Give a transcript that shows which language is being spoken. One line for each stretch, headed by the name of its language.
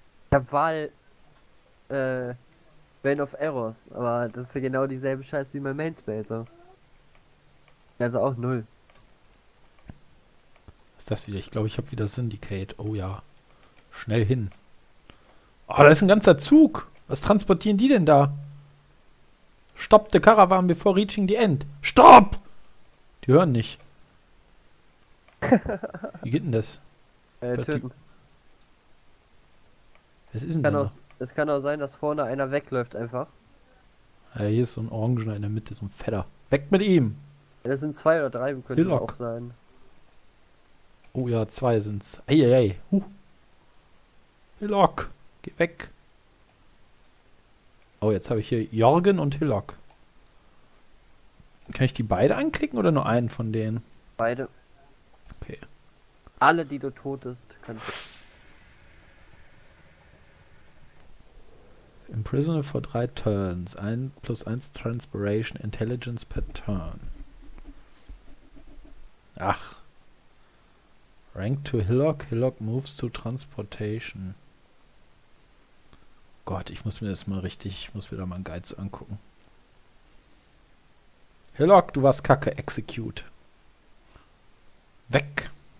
German: Ich hab Wahl Reign of Errors, aber das ist ja genau dieselbe Scheiße wie mein Main Spell, so. Also auch null. Das wieder. Ich glaube, ich habe wieder Syndicate. Oh ja. Schnell hin. Oh, da ist ein ganzer Zug. Was transportieren die denn da?
English: Stop the caravan before reaching the end.
German: Stopp! Die hören nicht. Wie geht denn das? töten. Was ist denn da noch? Es kann auch sein, dass vorne einer wegläuft einfach. Ja, hier ist so ein Orangener in der Mitte, so ein Fetter. Weg mit ihm! Ja, das sind zwei oder drei, könnte auch sein. Oh ja, zwei sind's. Eieiei, huh. Hillock, geh weg. Oh, jetzt habe ich hier Jorgen und Hillock. Kann ich die beide anklicken oder nur einen von denen? Beide. Okay. Alle, die du totest, kannst du.
English: Imprisoned for 3 turns. 1 plus 1 Transpiration Intelligence per turn. Ach. Rank to Hillock. Hillock moves to Transportation.
German: Gott, ich muss mir das mal richtig, ich muss mir da mal einen Geiz angucken. Hillock, du warst kacke. Execute. Weg.